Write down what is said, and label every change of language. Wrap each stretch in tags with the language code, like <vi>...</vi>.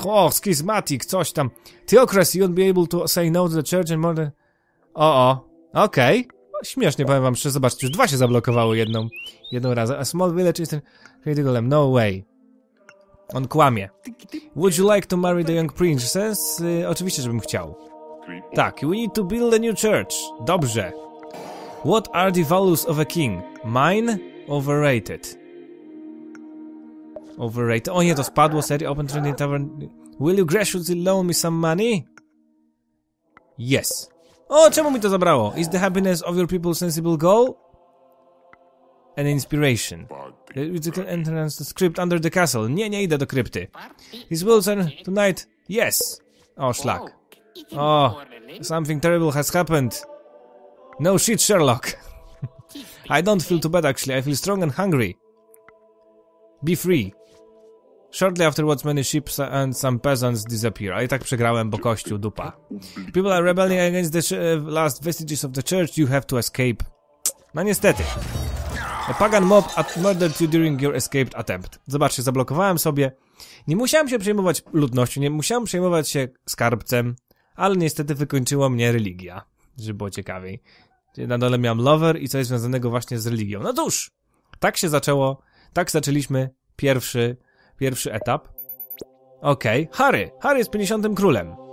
<en>Schizmatic,</en> <pl>coś tam.</pl> <en>Theocracy, you won't be able to say no to the church and more than...</en> <pl>Okej. Okay. Śmiesznie, powiem wam, że zobaczcie, już dwa się zablokowały jedną razem.</pl> <en>A small village is... Hidigolem, no way.</en> <pl>On kłamie.</pl> <en>Would you like to marry the young princess?</en> <pl>Oczywiście, żebym chciał. Tak,</pl> <en>we need to build a new church.</en> <pl>Dobrze.</pl> <en>What are the values of a king? Mine? Overrated. Overrated.</en> <pl>O nie, to spadło, serio,</pl> <en>open trending tavern. Will you graciously loan me some money? Yes.</en> <pl>O, czemu mi to zabrało?</pl> <en>Is the happiness of your people sensible goal? An inspiration. The entrance to crypt under the castle.</en> <pl>Nie, nie idę do krypty.</pl> <en>Is Wilson tonight? Yes.</en> <pl>O, szlak.</pl> <en>O, something terrible has happened. No shit, Sherlock. I don't feel too bad, actually. I feel strong and hungry. Be free. Shortly afterwards, many ships and some peasants disappear.</en> <pl>I tak przegrałem, bo kościół dupa.</pl> <en>People are rebelling against the last vestiges of the church. You have to escape.</en> <pl>No niestety.</pl> <en>A pagan mob murdered you during your escaped attempt.</en> <pl>Zobaczcie, zablokowałem sobie. Nie musiałem się przejmować ludnością, nie musiałem przejmować się skarbcem, ale niestety wykończyła mnie religia, żeby było ciekawiej. na dole miałem lover i coś związanego właśnie z religią. No cóż, tak się zaczęło, tak zaczęliśmy pierwszy etap. Okej, okay. Harry jest 50. królem.</pl>